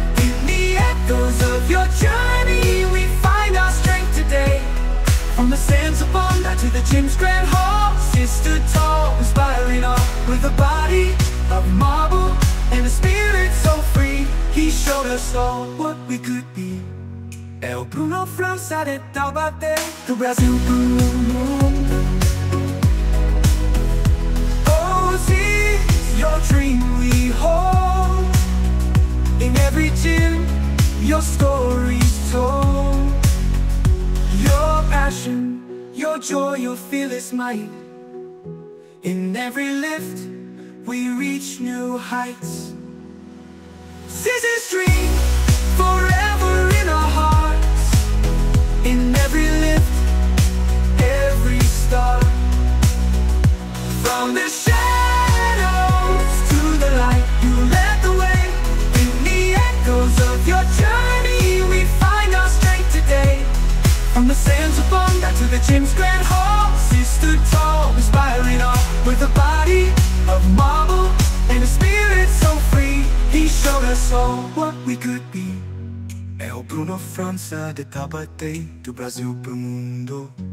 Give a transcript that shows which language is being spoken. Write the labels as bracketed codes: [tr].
[en] In the echoes of your journey, we find our strength today. From the sands of Bondi to the gym's grand hall, sister tall, inspiring all. With a body of marble and a spirit so free, he showed us all what we could be. [pt] É o Bruno França de Taubaté do Brasil pro mundo. [en] Oh, this your dream we hold. In every gym, your story's told. Your passion, your joy, your fearless might. In every lift, we reach new heights. This is dream, forever in our hearts. In every lift, every star. From the shadows to the light, you led the way. In the echoes of your journey, we find our strength today. From the sands of Bondi to the gym's grand hall, sister tall, inspiring all. With a body of marble and a spirit so free, he showed us all what we could be. [pt] É o Bruno França de Taubaté do Brasil pro mundo.